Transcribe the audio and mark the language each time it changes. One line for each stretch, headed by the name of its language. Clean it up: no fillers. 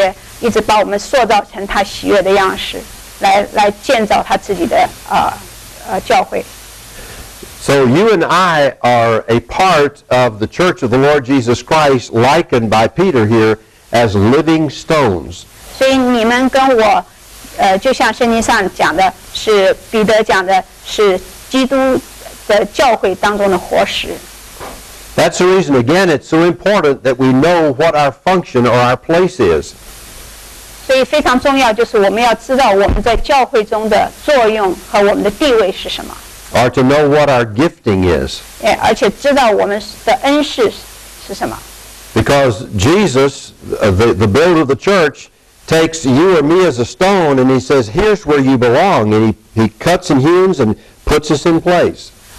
Chinese: 所以天父当看到我们的时候，他也要在我们身上看见不他不喜悦的地方的事情，他也要修剪，然后把它削掉一些，一直把我们塑造成他喜悦的样式。来建造他自己的教会。
English: So you and I are a part of the church of the Lord Jesus Christ, likened by Peter here as living stones.
Chinese: 所以你们跟我，就像圣经上讲的，是彼得讲的，是基督的教会当中的活石。
English: That's the reason, again, it's so important that we know what our function or our place is.
Chinese: 所以非常重要就是我们要知道我们在教会中的作用和我们的地位是什么。
English: Or to know what our gifting is.
Chinese: 而且知道我们的恩赐是什么。
English: Because Jesus, the builder of the church, takes you or me as a stone and he says, here's where you belong. And he cuts and hews and puts us in place.